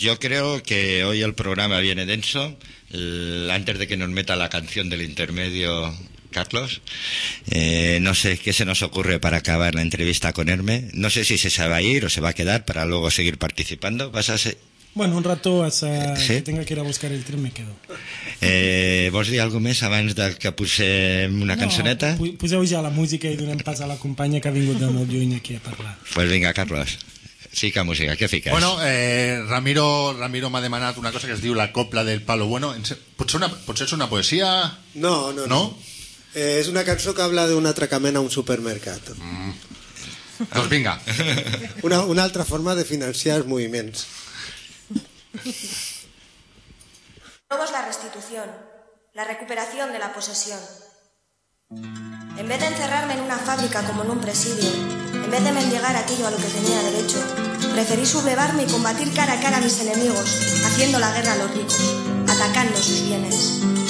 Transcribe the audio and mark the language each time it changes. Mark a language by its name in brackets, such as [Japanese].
[Spanish] Yo creo que hoy el programa viene denso. Antes de que nos meta la canción del intermedio, Carlos, no sé qué se nos ocurre para acabar la entrevista con Herme. No sé si se va a ir o se va a quedar para luego seguir participando. ¿Vas a ser? Bueno, un rato hasta ¿sí? que tenga que ir a buscar el tren me quedo. [Catalan] ¿Vos di algo més abans de que posem una cançoneta? No, poseu ja la música i donem pas a la companya que ha vingut de molt lluny aquí a parlar. Pues vinga, Carlos. Sí, que música, què fiques? Bueno, Ramiro m'ha demanat una cosa que es diu La copla del palo bueno. Potser és una poesia? No. És una cançó que [Spanish] habla [Catalan] d'un atracament a un supermercat. Doncs vinga. Una altra forma de financiar els moviments. [Spanish] Somos la restitución, la recuperación de la posesión. En vez de encerrarme en una fábrica como en un presidio, en vez de mendigar aquello a lo que tenía derecho, preferí sublevarme y combatir cara a cara a mis enemigos, haciendo la guerra a los ricos, atacando sus bienes.